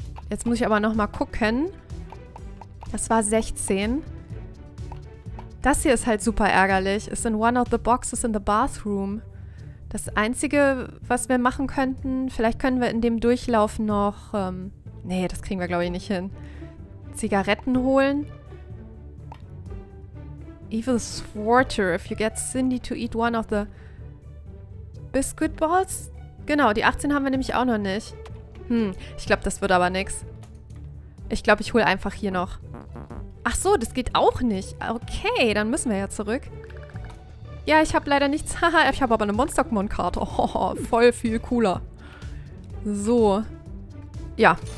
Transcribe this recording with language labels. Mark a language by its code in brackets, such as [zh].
[de] Jetzt muss ich aber nochmal gucken. Das war 16. Das hier ist halt super ärgerlich. Ist [en] in one of the boxes in the bathroom. [de] Das Einzige, was wir machen könnten, vielleicht können wir in dem Durchlauf noch, nee, das kriegen wir, glaube ich, nicht hin. Zigaretten holen. [en] Evil Swarter, if you get Cindy to eat one of the biscuit balls? [de] Genau, die 18 haben wir nämlich auch noch nicht. Ich glaube, das wird aber nichts. Ich glaube, ich hole einfach hier noch. Ach so, das geht auch nicht. Okay, dann müssen wir ja zurück. Ja, ich habe leider nichts. Haha, ich habe aber eine Monster-Mon-Karte. Oh, voll viel cooler. So. Ja.